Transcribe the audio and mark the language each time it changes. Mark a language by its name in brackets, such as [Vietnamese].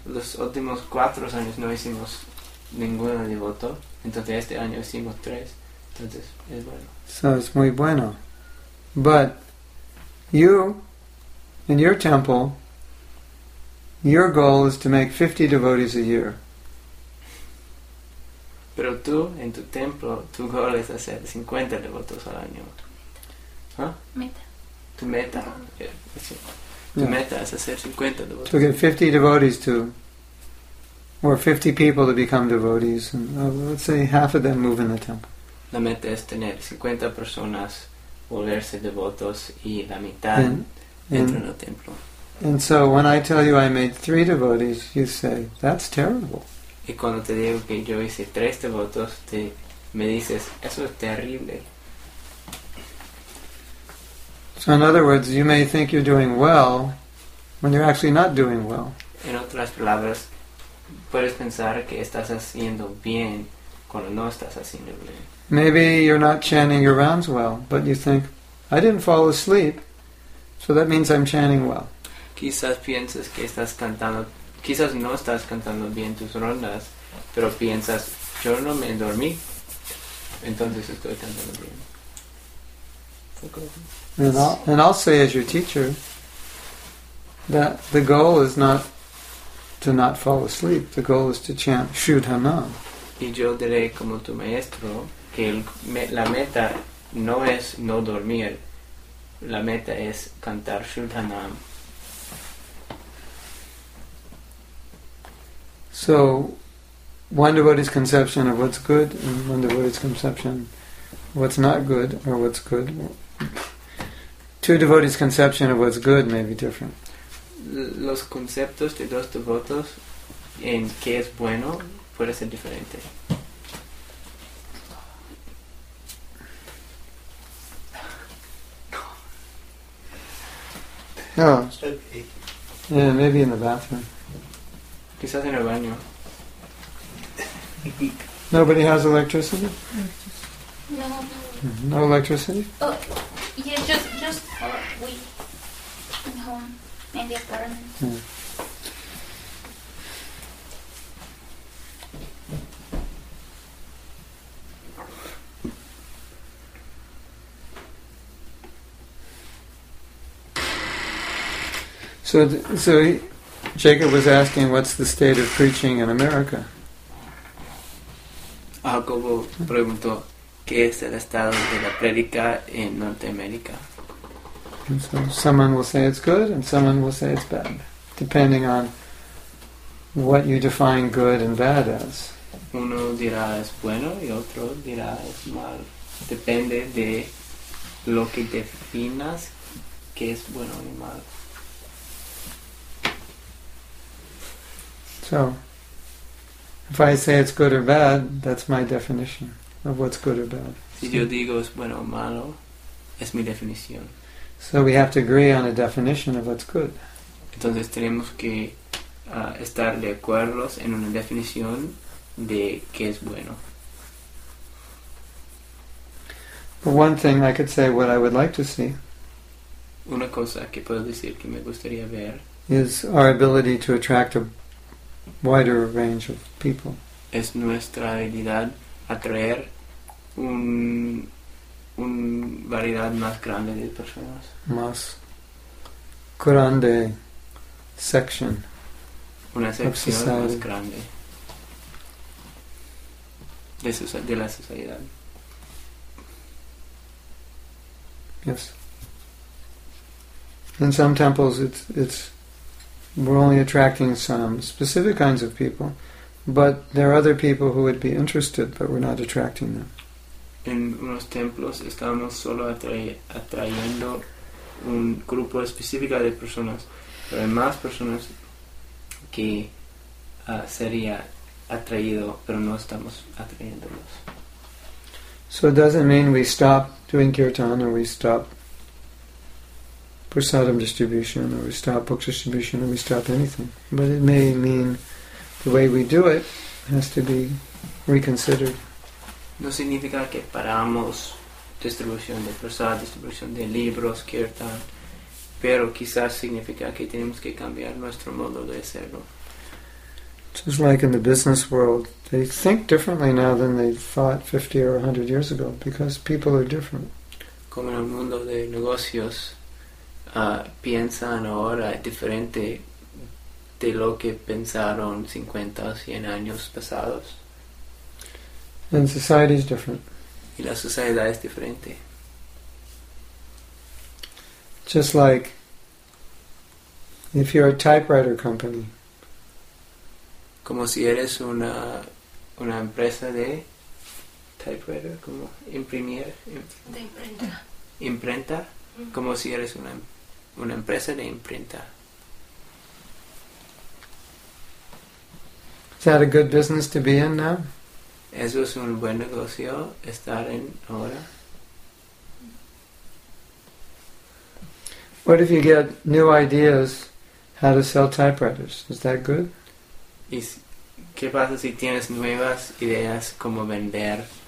[Spanish] Los últimos 4 años no hicimos ningún devoto, entonces este año hicimos 3, entonces es bueno. [English] So it's [Spanish] muy bueno. [English] But you, in your temple, your goal is to make 50 devotees a year. [Spanish] Pero tú, en tu templo, tu goal es hacer 50 devotos al año. Tu meta. Huh? Meta. Tu meta es hacer 50 devotos. [English] To get 50 devotees to, or 50 people to become devotees, and let's say half of them move in the temple. [Spanish] La meta es tener 50 personas volverse devotos y la mitad entra en el templo. [English] And so when I tell you I made 3 devotees, you say, that's terrible. [Spanish] Y cuando te digo que yo hice 3 devotos, me dices, eso es terrible. [English] So in other words, you may think you're doing well, when you're actually not doing well. [Spanish] En otras palabras, puedes pensar que estás haciendo bien, cuando no estás haciendo bien. [English] Maybe you're not chanting your rounds well, but you think, I didn't fall asleep, so that means I'm chanting well. [Spanish] Quizás pienses que estás cantando. Quizás no estás cantando bien tus rondas, pero piensas, yo no me dormí, entonces estoy cantando bien. [English] And I'll say as your teacher that the goal is not to not fall asleep, the goal is to chant Shuddha Hanam. [Spanish] Y yo diré como tu maestro que la meta no es no dormir, la meta es cantar Shuddha Hanam. [English] So, one devotee's conception of what's good and one devotee's conception of what's not good or what's good. Two devotees' conception of what's good may be different. [Spanish] Los conceptos de dos devotos en qué es bueno puede ser diferente. [English] Yeah. Yeah, maybe in the bathroom. [Spanish] Quizás en el baño. [English] Nobody has electricity? No. No electricity? Just for we in home in the apartment. So Jacob was asking, what's the state of preaching in America? [Spanish] Jacobo preguntó, ¿qué es el estado de la prédica en Norteamérica? [English] And so someone will say it's good and someone will say it's bad, depending on what you define good and bad as. [Spanish] Uno dirá es bueno y otro dirá es mal. Depende de lo que definas que es bueno y mal. [English] So, if I say it's good or bad, that's my definition of what's good or bad. [Spanish] Si yo digo es bueno o malo, es mi definición. [English] So we have to agree on a definition of what's good. [Spanish] Entonces tenemos que estar de acuerdo en una definición de qué es bueno. [English] But one thing I could say what I would like to see. [Spanish] Una cosa que puedo decir que me gustaría ver [English] is our ability to attract a wider range of people. [Spanish] Es nuestra habilidad atraer un variedad más grande de personas. Más grande section. Una sección más grande de la sociedad. [English] Yes. In some temples it's we're only attracting some specific kinds of people, but there are other people who would be interested, but we're not attracting them. [Spanish] En unos templos estamos solo atrayendo un grupo específico de personas, pero hay más personas que sería atraído, pero no estamos atrayéndolos. [English] So it doesn't mean we stop doing kirtan, or we stop prasadam distribution, or we stop book distribution, or we stop anything. But it may mean the way we do it has to be reconsidered. [Spanish] No significa que paramos distribución de prasad, distribución de libros, kirtan, pero quizás significa que tenemos que cambiar nuestro modo de hacerlo. [English] Just like in the business world, they think differently now than they thought 50 or 100 years ago, because people are different. [Spanish] Como en el mundo de negocios, piensan ahora diferente de lo que pensaron 50 o 100 años pasados. [English] And society is different. [Spanish] Y la sociedad es diferente. [English] Just like if you're a typewriter company. [Spanish] Como si eres una empresa de typewriter, como imprimir. De imprenta. Imprenta. Mm-hmm. Como si eres una empresa de imprenta. [English] Is that a good business to be in now? [Spanish] ¿Eso es un buen negocio estar en ahora? [English] What if you get new ideas how to sell typewriters? Is that good? [Spanish] ¿Y qué pasa si tienes nuevas ideas cómo vender?